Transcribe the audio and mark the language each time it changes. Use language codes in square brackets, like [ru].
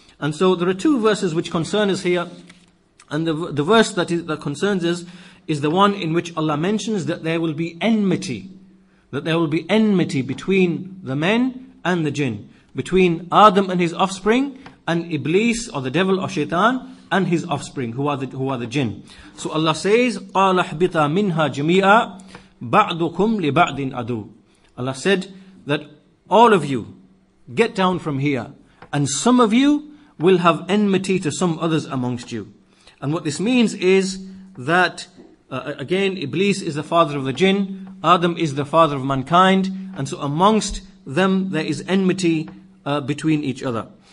[en] And so there are two verses which concern us here, and the verse that concerns us is the one in which Allah mentions that there will be enmity, between the men and the jinn, between Adam and his offspring, and Iblis or the devil or shaitan and his offspring, who are the jinn. So Allah says, [ar] قَالَ حْبِطَ مِنْهَا جَمِيعًا بَعْضُكُمْ لِبَعْضٍ عَدُوٌ. [en] Allah said that all of you get down from here, and some of you will have enmity to some others amongst you. And what this means is that, again, Iblis is the father of the jinn, Adam is the father of mankind, and so amongst them there is enmity between each other.